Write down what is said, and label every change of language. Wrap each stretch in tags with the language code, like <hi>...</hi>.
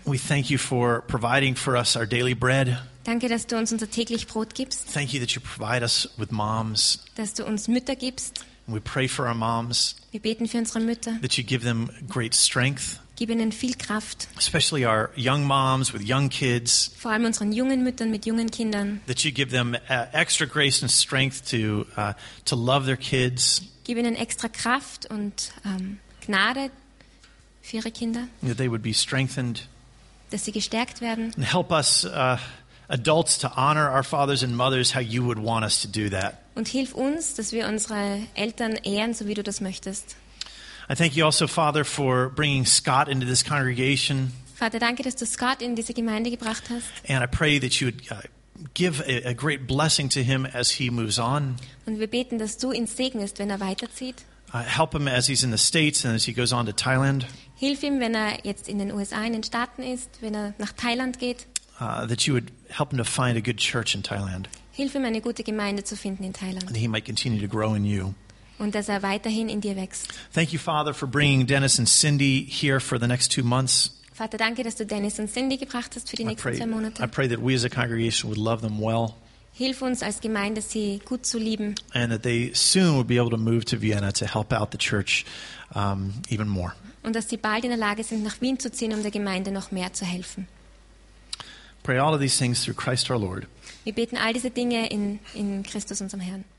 <en>We thank you for providing for us our daily bread.</en> <de>Danke, dass du uns unser täglich Brot gibst.</de> <en>Thank you that you provide us with moms.</en> <de>Dass du uns Mütter gibst.</de> <en>And we pray for our moms.</en> <de>Wir beten für unsere Mütter.</de> <en>That you give them great strength.</en> <de>Gib ihnen viel Kraft.</de> <en>Especially our young moms with young kids.</en> <de>Vor allem unseren jungen Müttern mit jungen Kindern.</de> <en>That you give them extra grace and strength to love their kids.</en> <de>Gib ihnen extra Kraft und Gnade für ihre Kinder.</de> <en>That they would be strengthened.</en> <de>Dass sie gestärkt werden.</de> <en>And help us adults to honor our fathers and mothers how you would want us to do that.</en> <de>Und hilf uns, dass wir unsere Eltern ehren, so wie du das möchtest.</de> <en>I thank you also, Father, for bringing Scott into this congregation.</en> <de>Vater, danke, dass du Scott in diese Gemeinde gebracht hast.</de> <en>And I pray that you would give a great blessing to him as he moves on.</en> <de>Und wir beten, dass du ihn segnest, wenn er weiterzieht.</de> <en>Help him as he's in the States and as he goes on to Thailand.</en> <de>Hilf ihm, wenn er jetzt in den USA, in den Staaten ist, wenn er nach Thailand geht.</de> <en>That you would help him to find a good church in Thailand.</en> <de>Hilf ihm, eine gute Gemeinde zu finden in Thailand.</de> <en>And he might continue to grow in you.</en> <de>Und dass er weiterhin in dir wächst.</de> <en>Thank you, Father, for bringing Dennis and Cindy here for the next 2 months.</en> <de>Vater, danke, dass du Dennis und Cindy gebracht hast für die nächsten 2 Monate.</de> <en>I pray that we as a congregation would love them well.</en> <de>Hilf uns als Gemeinde, sie gut zu lieben.</de> <en>And that they soon would be able to move to Vienna to help out the church even more.</en> <de>Und dass sie bald in der Lage sind, nach Wien zu ziehen, um der Gemeinde noch mehr zu helfen.</de> <en>Pray all of these things through Christ our Lord.</en> <de>Wir beten all diese Dinge in Christus, unserem Herrn.</de>